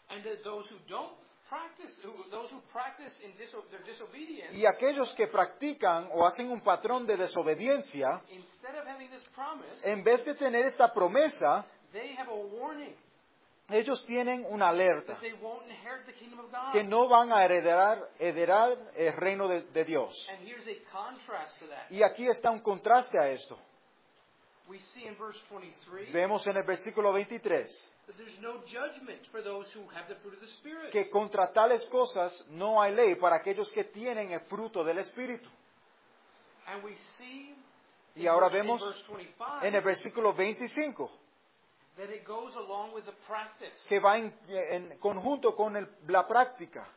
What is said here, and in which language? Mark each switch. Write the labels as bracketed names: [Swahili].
[English] And those who don't practice, those who practice in their disobedience, [Spanish] y aquellos que practican o hacen un patrón de desobediencia, [English] instead of having this promise, [Spanish] en vez de tener esta promesa, [English] they have a warning. [Spanish] Ellos tienen una alerta, [English] that they won't inherit the kingdom of God. [Spanish] Que no van a heredar el reino de Dios. [English] And here's a contrast to that. [Spanish] Y aquí está un contraste a esto. [English] We see in verse 23, [Spanish] vemos en el versículo 23 [English] that there's no judgment for those who have the fruit of the Spirit. [Spanish] Que contra tales cosas no hay ley para aquellos que tienen el fruto del Espíritu. [English] And we see, [Spanish] y ahora vemos [English] in verse 25, [Spanish] en el versículo 25 [English] that it goes along with the practice. [Spanish] Que va en conjunto con la práctica.